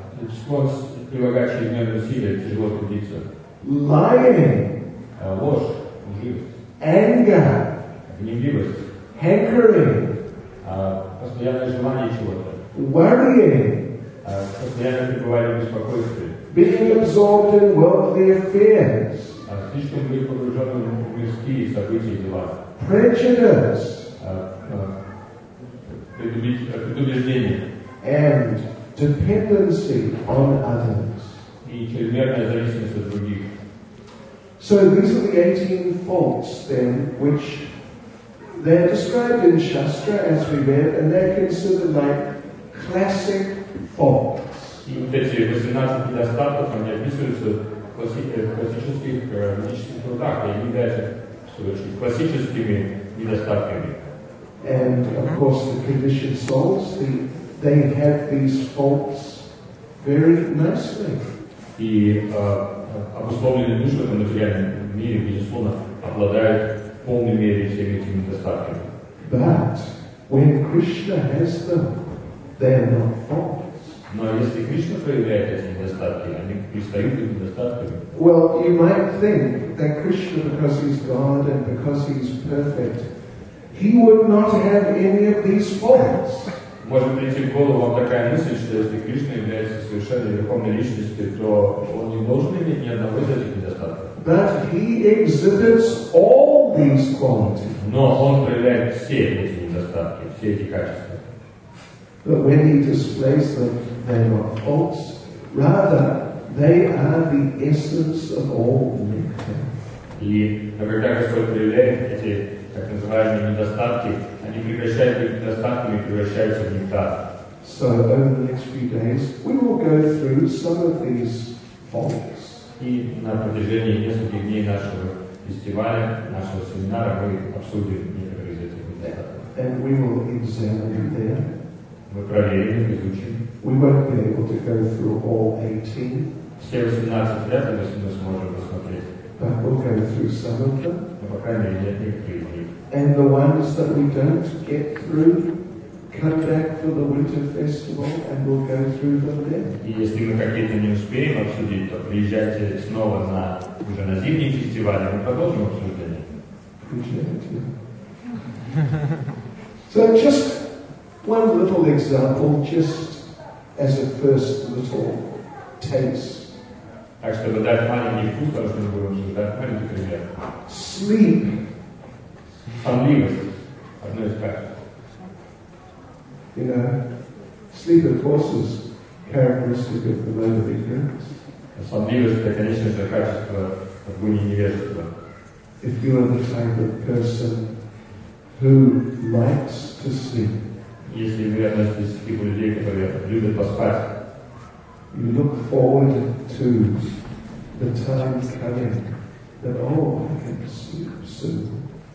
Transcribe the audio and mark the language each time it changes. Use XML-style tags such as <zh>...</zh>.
<ru>Склонность прилагающие дневные усилия, тяжело трудиться.</ru> <en>Lying.</en> <ru>Ложь. Лживость.</ru> <en>Anger.</en> <ru>Гневливость.</ru> <en>Hankering.</en> <ru>Постоянное желание чего-то.</ru> <en>Worrying.</en> <ru>Постоянное пребывание в беспокойстве.</ru> <en>Being absorbed in worldly affairs.</en> <ru>слишком были погружены в мирские события и дела.</ru> <en>Prejudice.</en> <ru>Предубеждение.</ru> <en>And dependency on others.</en> <ru>И чрезмерная зависимость от других.</ru> <en>So these are the 18 faults then, which they're described in Shastra as we read, and they're considered like classic faults.</en> <ru>И вот эти 18 недостатков, они описываются в классических ведических трудах, и они являются классическими недостатками.</ru> <en>And of course the conditioned souls, they have these faults very nicely.</en> <ru>И обусловленные души в этом материальном мире, безусловно, обладают в полной мере всеми этими недостатками.</ru> <en>But when Krishna has them, they are not faults.</en> <ru>Но если Кришна проявляет эти недостатки, они перестают быть недостатками.</ru> <en>Well, you might think that Krishna, because he's God and because he's perfect, he would not have any of these faults.</en> <ru>Может прийти в голову вам такая мысль, что если Кришна является совершенной верховной личностью, то он не должен иметь ни одного из этих недостатков.</ru> <en>But he exhibits all these qualities.</en> <ru>Но он проявляет все эти недостатки, все эти качества.</ru> <en>But when he displays them, they are not faults. Rather, they are the essence of all nectar.</en> <ru>И когда Господь проявляет эти так называемые недостатки, они превращают их недостатками и превращаются в нектар.</ru> <en>So over the next few days we will go through some of these faults.</en> <ru>И на протяжении нескольких дней нашего фестиваля, нашего семинара, мы обсудим некоторые из этих недостатков.</ru> <en>And we will examine them.</en> <ru>Мы проверим, изучим.</ru> <en>We won't be able to go through all 18.</en> <ru>Все 18 вряд ли мы сможем посмотреть.</ru> <en>But we'll go through some of them.</en> <ru>Но по крайней мере некоторые из них.</ru> <en>And the ones that we don't get through, come back for the winter festival, and we'll go through them then.</en> <ru>И если мы какие-то не успеем обсудить, то приезжайте снова на уже на зимний фестиваль, и мы продолжим обсуждение. Приезжайте.</ru> <en>So just one little example, just as a first little taste.</en> <ru>Так чтобы дать маленький вкус, потому что мы будем обсуждать маленький пример.</ru> <en>Sleep.</en> <ru>Сонливость. Одно из качеств.</ru> <en>You know, sleep, of course, is characteristic of the mode of ignorance.</en> <ru>Сонливость – это, конечно же, качество обуни невежества.</ru> <en>If you are the type of person who likes to sleep,</en> <ru>если вы относитесь к типу людей, которые любят поспать,</ru> <en>you look forward to the time coming that, oh, I can sleep soon.</en>